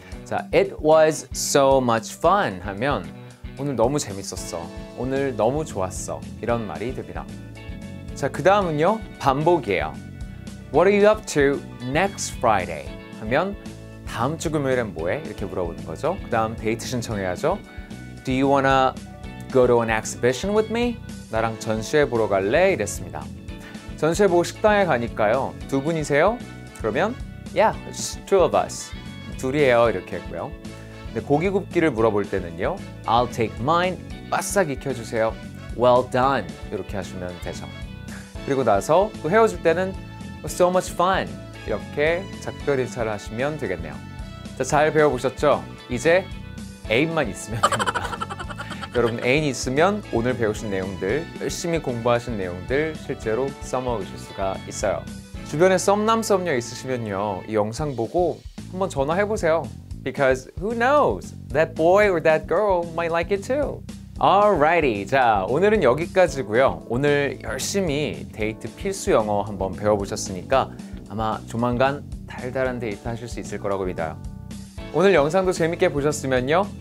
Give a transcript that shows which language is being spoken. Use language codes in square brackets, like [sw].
[ko] 자, [en] It was so much fun [ko] 하면 오늘 너무 재밌었어. 오늘 너무 좋았어. 이런 말이 됩니다. 자, 그 다음은요. 반복이에요. [en] What are you up to next Friday? [ko] 하면 다음 주 금요일엔 뭐해? 이렇게 물어보는 거죠. 그 다음 데이트 신청해야죠. [en] Do you wanna go to an exhibition with me? [ko] 나랑 전시회 보러 갈래? 이랬습니다. 전시회 보고 식당에 가니까요. 두 분이세요? 그러면 [en] Yeah, it's two of us. [ko] 둘이에요. 이렇게 했고요. 근데 고기 굽기를 물어볼 때는요. [en] I'll take mine. [ko] 바싹 익혀주세요. [en] Well done. [ko] 이렇게 하시면 되죠. 그리고 나서 또 헤어질 때는 [en] So much fun. [ko] 이렇게 작별 인사를 하시면 되겠네요. 자, 잘 배워보셨죠? 이제 애인만 있으면 됩니다. 여러분, 애인 있으면 오늘 배우신 내용들, 열심히 공부하신 내용들 실제로 써먹으실 수가 있어요. 주변에 썸남, 썸녀 있으시면요. 이 영상 보고 한번 전화해보세요. [en] Because who knows? That boy or that girl might like it too. [ko] Alrighty, 자, 오늘은 여기까지고요. 오늘 열심히 데이트 필수 영어 한번 배워보셨으니까 아마 조만간 달달한 데이트 하실 수 있을 거라고 믿어요. 오늘 영상도 재밌게 보셨으면요.